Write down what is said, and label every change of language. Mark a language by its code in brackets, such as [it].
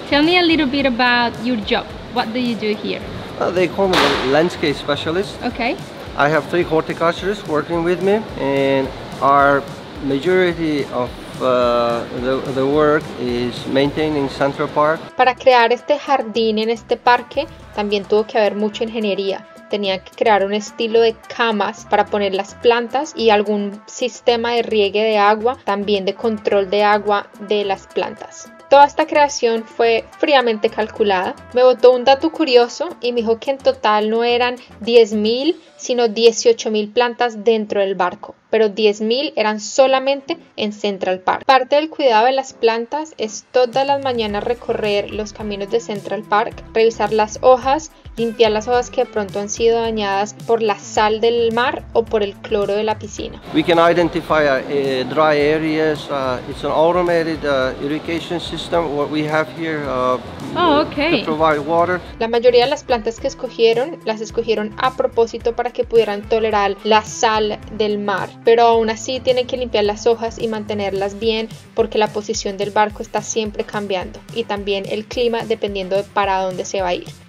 [en] Tell me a little bit about your job. What do you do here? They call me a landscape specialist. Okay. I have 3 horticulturists working with me, and our majority of the work is maintaining Central Park. [es] Para crear este jardín en este parque también tuvo que haber mucha ingeniería. Tenía que crear un estilo de camas para poner las plantas y algún sistema de riegue de agua, también de control de agua de las plantas. Toda esta creación fue fríamente calculada. Me botó un dato curioso y me dijo que en total no eran 10.000, sino 18.000 plantas dentro del barco. Pero 10.000 eran solamente en Central Park. Parte del cuidado de las plantas es todas las mañanas recorrer los caminos de Central Park, revisar las hojas, limpiar las hojas que de pronto han sido dañadas por la sal del mar o por el cloro de la piscina. [en] We can identify dry areas. It's an automated irrigation system what we have here to provide water. [es] La mayoría de las plantas que escogieron las escogieron a propósito para que pudieran tolerar la sal del mar. Pero aún así tienen que limpiar las hojas y mantenerlas bien porque la posición del barco está siempre cambiando y también el clima dependiendo de para dónde se va a ir.